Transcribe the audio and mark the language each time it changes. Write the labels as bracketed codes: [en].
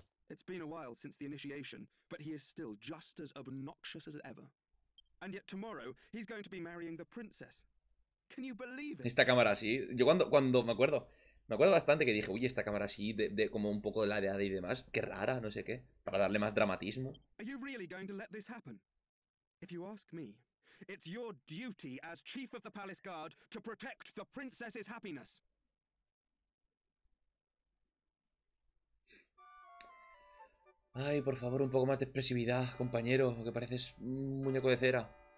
[en] It's been a while since the initiation, but he is still just as obnoxious as ever. And yet tomorrow he's going to be marrying the princess. Can you believe it? [es] Esta cámara así, yo cuando me acuerdo bastante que dije, "Uy, esta cámara así de como un poco de la de Ada y demás, qué rara, no sé qué, para darle más dramatismo." [en] Are you really going to let this happen? If you ask me, it's your duty as chief of the palace guard to protect the princess's happiness. [es] Ay, por favor, un poco más de expresividad, compañero, que pareces un muñeco de cera.